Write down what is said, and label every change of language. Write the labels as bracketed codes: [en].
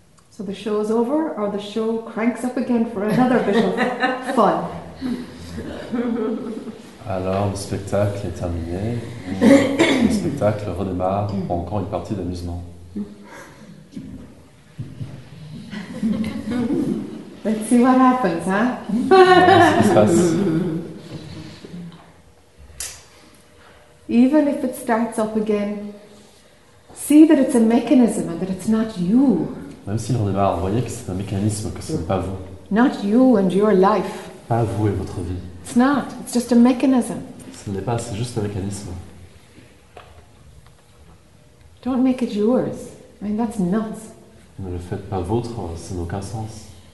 [en] So the show is over, or the show cranks up again for another bit of fun. [fr] Alors le spectacle est terminé. Le spectacle redémarre pour encore une partie d'amusement. [en] Let's see what happens, hein? [fr] Voilà ce qui se passe. [en] Even if it starts up again, see that it's a mechanism and that it's not you. [fr] Même s'il redémarre, voyez que c'est un mécanisme, que ce n'est pas vous. [en] Not you and your life. [fr] Pas vous et votre vie. [en] It's not. It's just a mechanism. [fr] Ce n'est pas, c'est juste un mécanisme. [en] Don't make it yours. I mean, that's nuts. [fr] Ne le faites pas vôtre, ça n'a aucun sens.